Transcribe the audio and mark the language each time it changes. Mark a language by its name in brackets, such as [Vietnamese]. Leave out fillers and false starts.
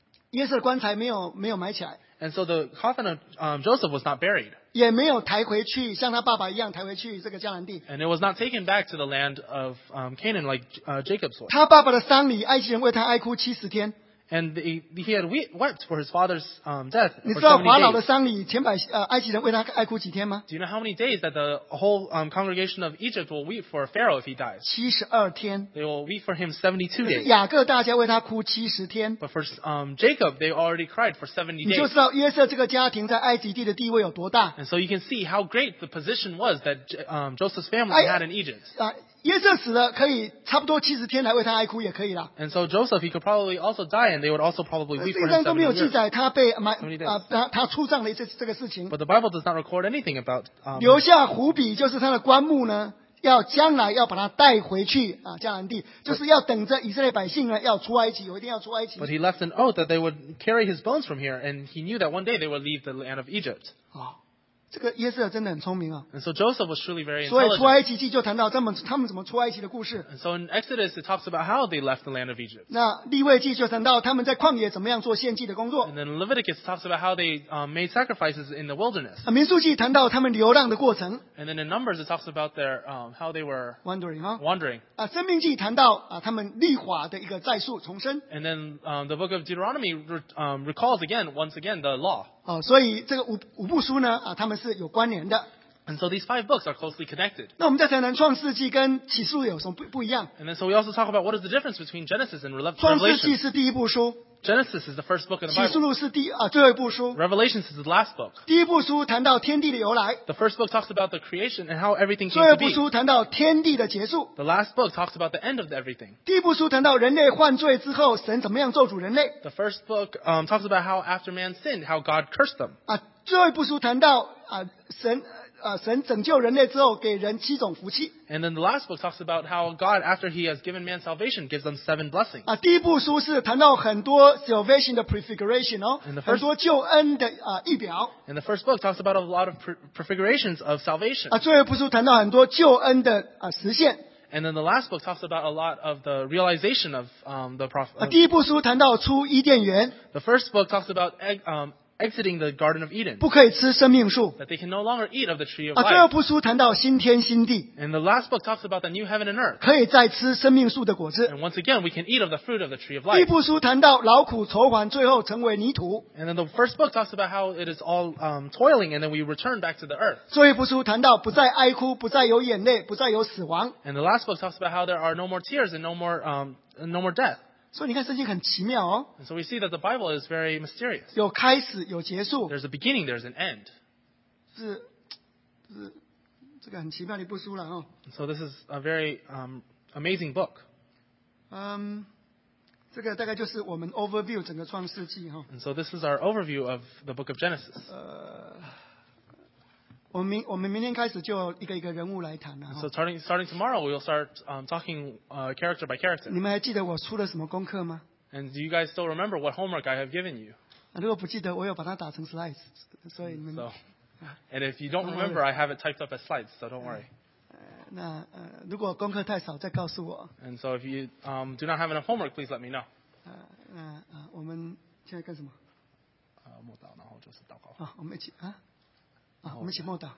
[Chinese] 约瑟的棺材没有埋起来。 [English] And so the coffin of Joseph was not buried. [Chinese] 也没有抬回去，像他爸爸一样抬回去这个迦南地。 [English] And it was not taken back to the land of Canaan like Jacob's was. [Chinese] 他爸爸的丧礼，埃及人为他哀哭七十天。 [English] And he had wept for his father's death. [Chinese] 你知道法老的丧礼，埃及人为他哀哭几天吗 [English] ？Do you know how many days that the whole congregation of Egypt will weep for Pharaoh if he dies? [Chinese] 72天。 [English] They will weep for him 72 days. [Chinese] 雅各大家为他哭七十天。 [English] But for Jacob, they already cried for 70 days. [Chinese] 你就知道约瑟这个家庭在埃及地的地位有多大。 [English] And so you can see how great the position was that Joseph's family had in Egypt. [Chinese] 约瑟死了可以差不多七十天来为他哀哭也可以了。 [English] And so Joseph, he could probably also die and they would also probably weep for him [Chinese] 都没有记载他被埋他出葬的这个事情。 [English] But the Bible does not record anything about, [Chinese] 留下胡笔就是他的棺木呢要将来要把他带回去啊迦南地就是要等着以色列百姓呢要出埃及有一天要出埃及。 [English] But he left an oath that they would carry his bones from here and he knew that one day they would leave the land of Egypt. [Chinese] 这个约瑟真的很聪明啊！ [English] And so Joseph was truly very intelligent. [Chinese] 所以出埃及记就谈到他们怎么出埃及的故事。 [English] And so in Exodus it talks about how they left the land of Egypt. [Chinese] 那利未记就谈到他们在旷野怎么样做献祭的工作。 [English] And then Leviticus talks about how they made sacrifices in the wilderness. [Chinese] 民数记谈到他们流浪的过程。 [English] And then in Numbers it talks about their how they were wandering. Wandering. [Chinese] 命记谈到他们律法的一个再述重申。 [English] And then the book of Deuteronomy recalls again once again the law. [Chinese] 所以这个 五部书呢、他们是有关联的。 [English] And so these five books are closely connected. [Chinese] 那我们再谈谈创世纪跟启示录有什么 不一样。 [English] And then so we also talk about what is the difference between Genesis and Revelation. [Chinese] 创世纪是第一部书。 [English] Genesis is the first book of the Bible. [Chinese] 启示录是最后一部书。 [English] Revelation is the last book. [Chinese] 第一部书谈到天地的由来。 [English] The first book talks about the creation and how everything came to be. [Chinese] 最后一部书谈到天地的结束。 [English] The last book talks about the end of everything. [Chinese] 第一部书谈到人类犯罪之后神怎么样咒诅人类。 [English] The first book talks about how after man sinned, how God cursed them. [Chinese] 最后一部书谈到神拯救人类之后给人七种福气。 [English] And then the last book talks about how God, after he has given man salvation, gives them seven blessings. [Chinese] 第一部书是谈到很多 salvation 的 prefiguration 哦 [English] first, [Chinese] 很多救恩的预表。 [English] And the first book talks about a lot of prefigurations of salvation. [Chinese] 最后一部书谈到很多救恩的实现。 [English] And then the last book talks about a lot of the realization of the prophet. [Chinese] 第一部书谈到出伊甸园。 [English] The first book talks about exiting the Garden of Eden. [Chinese] 不可以吃生命树。 [English] That they can no longer eat of the tree of life. [Chinese] 啊，最后一部书谈到新天新地。 [English] And the last book talks about the new heaven and earth. [Chinese] 可以再吃生命树的果子。 [English] And once again, we can eat of the fruit of the tree of life. [Chinese] 第一部书谈到劳苦愁烦，最后成为泥土。 [English] And then the first book talks about how it is all toiling, and then we return back to the earth. [Chinese] 最后一部书谈到不再哀哭，不再有眼泪，不再有死亡。 [English] And the last book talks about how there are no more tears and no more death. [Chinese] 所以你看圣经很奇妙哦。 [English] So we see that the Bible is very mysterious. [Chinese] 有开始，有结束。 [English] There's a beginning, there's an end. [Chinese] 是这个很奇妙的一部书了哦。 [English] So this is a very amazing book. [Chinese] 这个大概就是我们 overview 整个创世纪哦。 [English] And so this is our overview of the book of Genesis. [Chinese] 我们明天开始就一个一个人物来谈了。 [English] So starting tomorrow, we'll start talking character by character. [Chinese] 你们还记得我出了什么功课吗？ [English] And do you guys still remember what homework I have given you? [Chinese] 如果不记得，我有把它打成 slides， 所以你们。 [English] So, and if you don't remember, I have it typed up as slides, so don't worry. [Chinese] 那如果功课太少，再告诉我。 [English] And so if you do not have enough homework, please let me know. [Chinese] 我们现在干什么？默祷，然后就是祷告。我们一起啊。我们一起默祷。